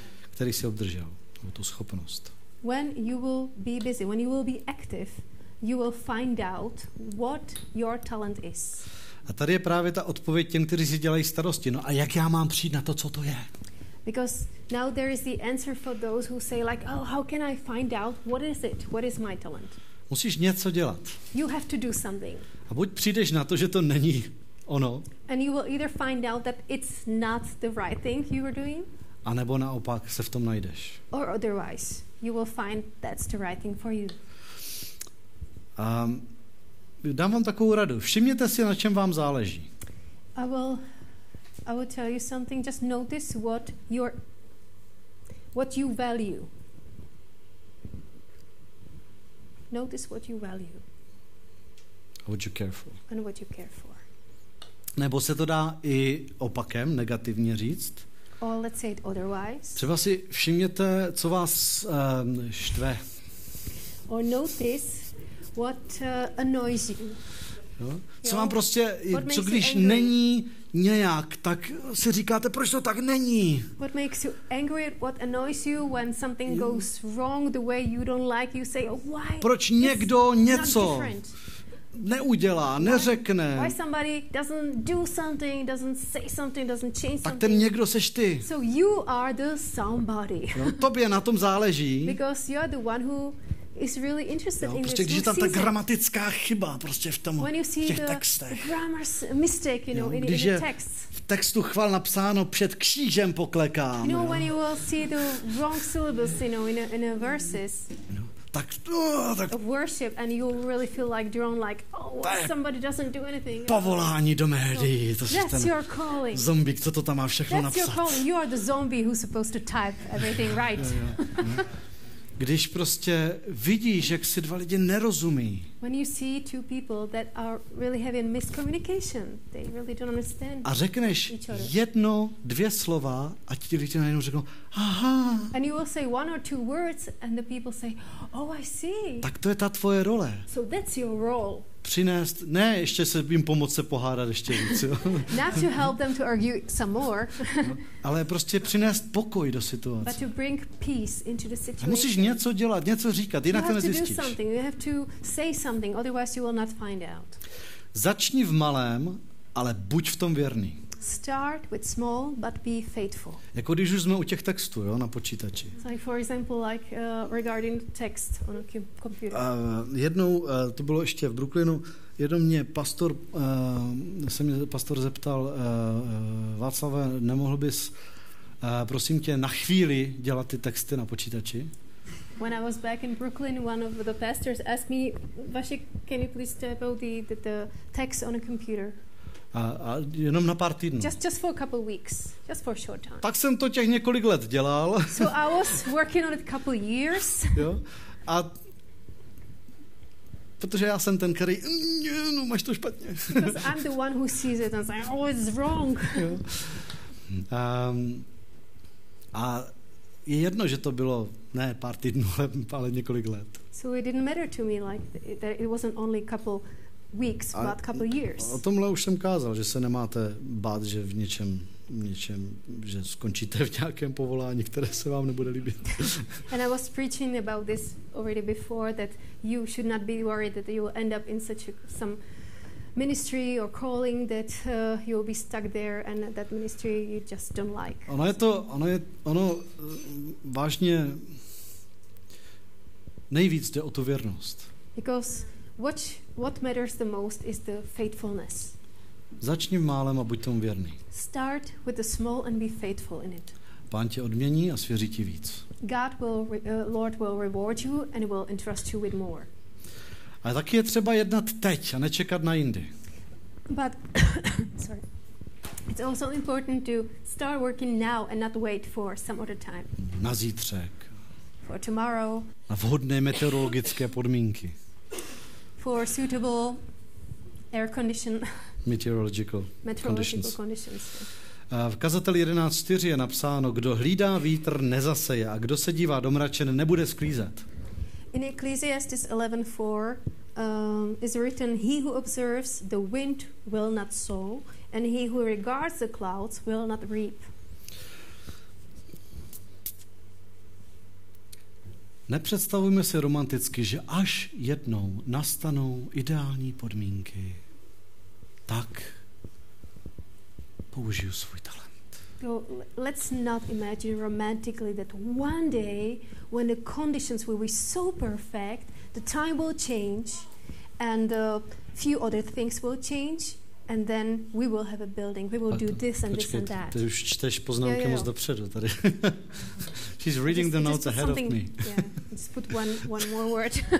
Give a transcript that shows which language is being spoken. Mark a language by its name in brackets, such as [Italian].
[Czech] Který si obdržel, tu schopnost. [English] When you will be busy, when you will be active, you will find out what your talent is. [Czech] A tady je právě ta odpověď těm, kteří si dělají starosti. No a jak já mám přijít na to, co to je? [English] Because now there is the answer for those who say like, oh, how can I find out what is it? What is my talent? [Czech] Musíš něco dělat. [English] You have to do something. [Czech] A buď přijdeš na to, že to není ono. [English] And you will either find out that it's not the right thing you are doing. [Czech] A nebo naopak se v tom najdeš. [English] Or otherwise, you will find that's the right thing for you. [Czech] Dám vám takovou radu. Všimněte si, na čem vám záleží. [English] I will tell you something. Just notice what you value. Notice what you value. What you care for. And what you care for. [Czech] Nebo se to dá i opakem, negativně říct. [English] Or let's say it otherwise. [Czech] Třeba si všimněte, co vás štve. [English] Or notice what annoys you. [Czech] Jo? Co vám prostě, co když není nějak, tak si říkáte, proč to tak není? [English] What makes you angry, what annoys you when something goes wrong the way you don't like, you say, oh, why? [Czech] Proč někdo něco neudělá, neřekne? [English] Why somebody doesn't do something, doesn't say something, doesn't change something? [Czech] Tak ten někdo seš ty. [English] So you are the somebody. [Czech] Tobě na tom záleží. [English] Because you're the one who is really interested in [Czech] prostě, [English] this. [Czech] Je tam ta gramatická chyba prostě v tom, [English] when you see [Czech] v těch [English] the [Czech] textech. [English] Grammar mistake, you know, in the text. [Czech] V textu chval napsáno před křížem poklekám. [English] You know, when you will see the wrong syllables, you know, in a verses. [Czech] Tak. [English] Of worship and you really feel like drawn like, oh, what, somebody doesn't do anything. [Czech] Povolání do médií, to je ten [English] your calling. [Czech] Zombie, co to tam má všechno [English] that's [Czech] napsat. [English] Your calling. You are the zombie who's supposed to type everything right. [Czech] Když prostě vidíš, jak si dva lidi nerozumí. [English] When you see two people that are really having miscommunication, they really don't understand. [Czech] A řekneš jedno, dvě slova a ti lidi najednou řeknou: "Aha." [English] And you will say one or two words and the people say, "Oh, I see." [Czech] Tak to je ta tvoje role. [English] So that's your role. [Czech] Přinést, ne, ještě se jim pomoct se pohádat ještě víc. [English] Not to help them to argue some more. [Czech] Ale prostě přinést pokoj do situace. [English] But to bring peace into the situation. [Czech] A musíš něco dělat, něco říkat, jinak to nezjistíš. [English] You have to do something. You have to say something, otherwise you will not find out. [Czech] Začni v malém, ale buď v tom věrný. [English] Start with small, but be faithful. [Czech] Jako když už jsme u těch textů, jo, na počítači. [English] So like for example, like regarding text on a computer. [Czech] Jednou, to bylo ještě v Brooklynu, jednou mě pastor, se mě pastor zeptal, Václave, nemohl bys, prosím tě, na chvíli dělat ty texty na počítači? [English] When I was back in Brooklyn, one of the pastors asked me, Vašek, can you please type out the text on a computer? [Czech] A jenom na pár týdnů. [English] Just for a couple weeks, just for a short time. [Czech] Tak jsem to těch několik let dělal. [English] So I was working on it a couple years. [Czech] Jo. A protože já jsem ten, který, no máš to špatně. [English] Because I'm the one who sees it and says, oh, it's wrong. [Czech] A je jedno, že to bylo ne pár týdnů, ale několik let. [English] So it didn't matter to me like that it wasn't only a couple weeks, but a couple years. [Czech] O tomhle už jsem kázal, že se nemáte bát, že v něčem, že skončíte v nějakém povolání, které se vám nebude líbit. [English] And I was preaching about this already before, that you should not be worried that you will end up in such a, some ministry or calling that you will be stuck there and that ministry you just don't like. [Czech] Ono je to, ono vážně nejvíc jde o tu věrnost. [English] Because what matters the most is the faithfulness. [Czech] Začni málem a buď tomu věrný. [English] Start with the small and be faithful in it. [Czech] Pán tě odmění a svěří ti víc. [English] God will Lord will reward you and will entrust you with more. [Czech] A taky je třeba jednat teď a nečekat na jindy. [English] But sorry. It's also important to start working now and not wait for some other time. [Czech] Na zítřek. [English] For tomorrow. [Czech] Na vhodné meteorologické podmínky. [English] For suitable air condition. Meteorological, meteorological conditions. [Czech] V Kazateli 11:4 je napsáno, kdo hlídá vítr, nezaseje, a kdo se dívá do mračen, nebude sklízet. [English] In Ecclesiastes 11:4 is written, he who observes the wind will not sow, and he who regards the clouds will not reap. [Czech] Nepředstavujme si romanticky, že až jednou nastanou ideální podmínky, tak použiju svůj talent. [English] So, let's not imagine romantically that one day when the conditions will be so perfect, the time will change and a few other things will change and then we will have a building. We will do this and [Czech] počkej, [English] this and that. [Czech] Ty už čteš poznámky moc dopředu tady. [English] She's reading the notes ahead of me. Yeah, just put one more word.